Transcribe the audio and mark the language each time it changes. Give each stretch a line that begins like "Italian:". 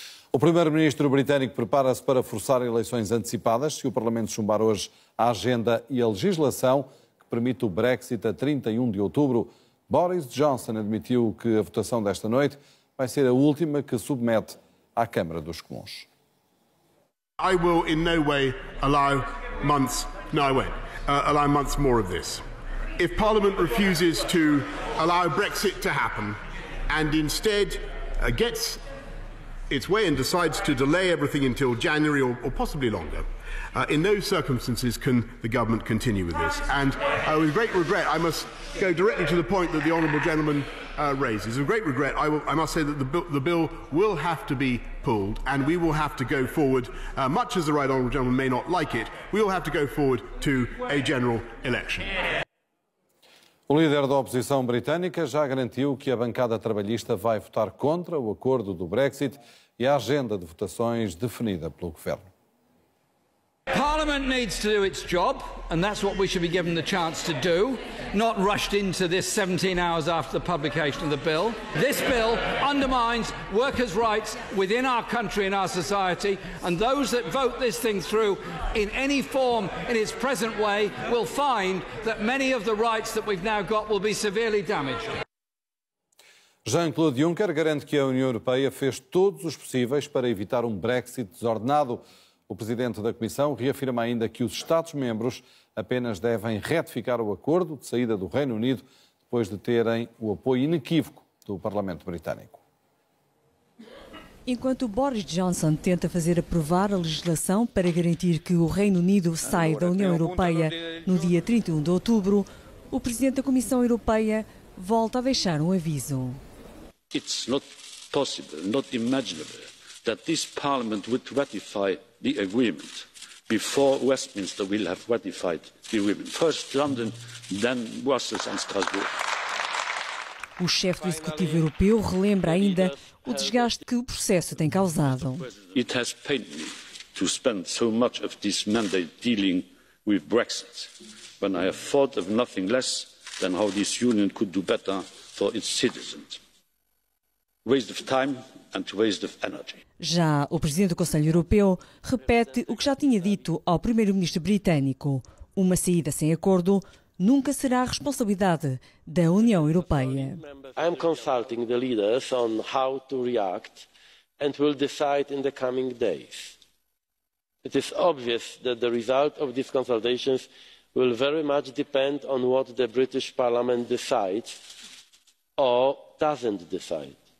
Portuguese: O primeiro-ministro britânico prepara-se para forçar eleições antecipadas se o Parlamento chumbar hoje a agenda e a legislação que permite o Brexit a 31 de outubro. Boris Johnson admitiu que a votação desta noite vai ser a última que submete à Câmara dos Comuns.
English: I will in no way allow months more of this. If Parliament refuses to allow Brexit to happen and instead gets its way and decides to delay everything until January or possibly longer. In those circumstances, can the government continue with this? And with great regret, I must go directly to the point that the Honourable Gentleman raises. With great regret, I must say that the bill will have to be pulled and we will have to go forward, much as the Right Honourable Gentleman may not like it, we will have to go forward to a general election.
Portuguese: O líder da oposição britânica já garantiu que a bancada trabalhista vai votar contra o acordo do Brexit e a agenda de votações definida pelo governo.
English: Parliament needs to do its job, and that's what we should be given the chance to do, not rushed into this 17 hours after the publication of the bill. This bill undermines workers' rights within our country and our society, and those that vote this thing through in any form in its present way will find that many of the rights that we've now got will be severely damaged.
Portuguese: Jean-Claude Juncker garante que a União Europeia fez todos os possíveis para evitar Brexit desordenado. O presidente da Comissão reafirma ainda que os Estados-membros apenas devem retificar o acordo de saída do Reino Unido depois de terem o apoio inequívoco do Parlamento Britânico. Enquanto Boris Johnson tenta fazer aprovar a legislação para garantir que o Reino Unido saia da União Europeia no dia 31 de outubro, o presidente da Comissão Europeia volta a deixar um aviso.
English: It's not possible, not imaginable that this Parliament would ratify the agreement before Westminster will have ratified the agreement. First London, then Brussels and Strasbourg.
Portuguese: O chefe do Executivo Europeu relembra ainda o desgaste que o processo tem causado.
English: It has pained me to spend so much of this mandate dealing with Brexit, when I have thought of nothing less than how this union could do better for its citizens. Waste of time and waste of energy.
Portuguese: Já o Presidente do Conselho Europeu repete o que já tinha dito ao Primeiro-Ministro britânico. Uma saída sem acordo nunca será a responsabilidade da União Europeia.
English: I'm consulting the leaders on how to react and will decide in the coming days. It is obvious that the result of these consultations will very much depend on what the British Parliament decides or doesn't decide.